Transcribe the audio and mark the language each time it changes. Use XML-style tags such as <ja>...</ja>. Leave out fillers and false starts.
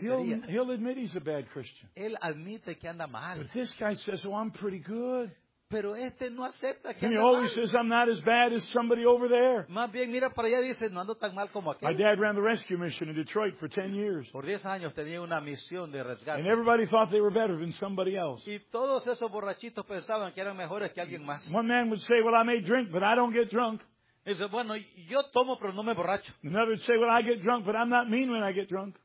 <en>he'll admit he's a bad Christian.</en> <es>Él admite que anda mal.</es> <en>But this guy says, oh, I'm pretty good.</en> <es>Pero este no acepta que</es> <en>and he always</en> <es>mal.</es> <en>Says, I'm not as bad as somebody over there.</en> <es>Más bien, mira para allá, dice, no ando tan mal como aquel.</es> <en>My dad ran the rescue mission in Detroit for 10 years.</en> <es>Por 10 años tenía una misión de rescate.</es> <en>And everybody thought they were better than somebody else.</en> <es>Y todos esos borrachitos pensaban que eran mejores que alguien más.</es> <en>One man would say, well, I may drink, but I don't get drunk.</en> <es>Y dice, bueno, yo tomo, pero no me borracho.</es> <en>Another would say, well, I get drunk, but I'm not mean when I get drunk.</en>